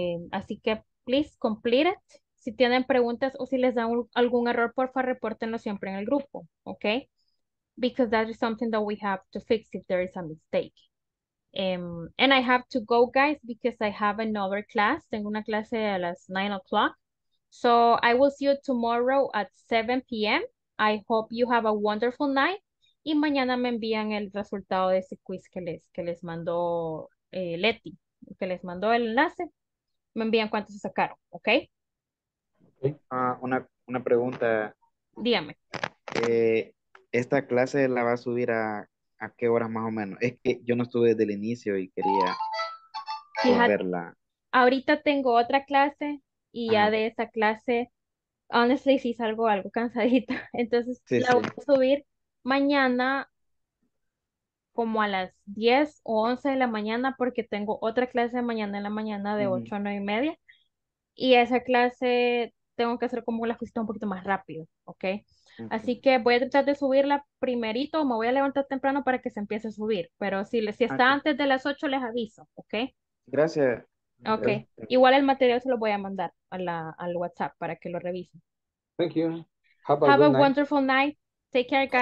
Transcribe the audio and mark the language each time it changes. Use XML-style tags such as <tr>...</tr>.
<es>Así que</es> <en>please complete it.</en> <es>Si tienen preguntas o si les da algún error, porfa, repórtenlo siempre en el grupo, okay?</es> <en>Because that is something that we have to fix if there is a mistake. And I have to go, guys, because I have another class.</en> <es>Tengo una clase a las 9 o'clock.</es> <en>So I will see you tomorrow at 7 p.m. I hope you have a wonderful night.</en> <es>Y mañana me envían el resultado de ese quiz que les mandó Leti, que les mandó el enlace. Me envían cuántos se sacaron, ¿ok? Okay. Una pregunta. Dígame. ¿Esta clase la va a subir a qué horas más o menos? Es que yo no estuve desde el inicio y quería verla. Ahorita tengo otra clase y ya de esa clase... Honestly, sí, salgo algo cansadita. Entonces, sí, la voy a subir mañana como a las 10 o 11 de la mañana porque tengo otra clase de mañana en la mañana de 8 a 9 y media. Y esa clase tengo que hacer como la justicia un poquito más rápido, ¿okay? ¿Ok? Así que voy a tratar de subirla primerito. Me voy a levantar temprano para que se empiece a subir. Pero si está okay. Antes de las 8, les aviso, ¿ok? Gracias. Ok, igual el material se lo voy a mandar al WhatsApp para que lo revisen.</es> <en>Thank you. Have a wonderful night. Take care, guys.</en>